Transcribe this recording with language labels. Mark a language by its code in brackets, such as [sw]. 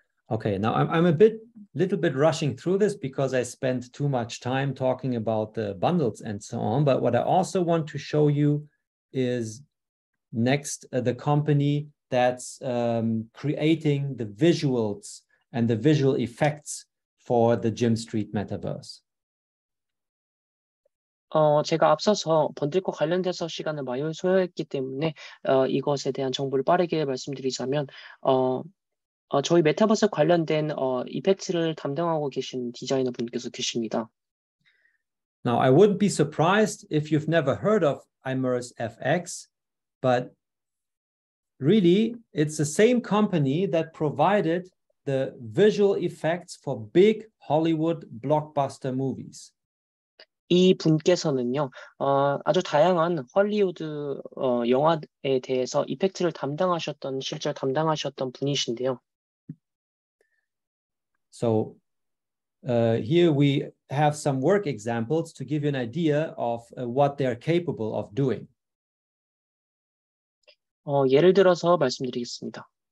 [en] Okay, now I'm a bit, little bit rushing through this because I spent too much time talking about the bundles and so on. But what I also want to show you is next the company that's creating the visuals and the visual effects for the Gym Street Metaverse. [ko] 제가 앞서서 번들과 관련돼서 시간을 많이 소요했기 때문에 이것에 대한 정보를 빠르게 말씀드리자면 저희 메타버스 관련된 이펙트를 담당하고 계신 디자이너 분께서 계십니다. [en] Now I wouldn't be surprised if you've never heard of Immerse FX, but really it's the same company that provided the visual effects for big Hollywood blockbuster movies. [ko] 이 분께서는요, 아주 다양한 헐리우드 영화에 대해서 이펙트를 담당하셨던, 실제 담당하셨던 분이신데요. [en] So here we have some work examples to give you an idea of what they are capable of doing. [ko] 예를 들어서 말씀드리겠습니다.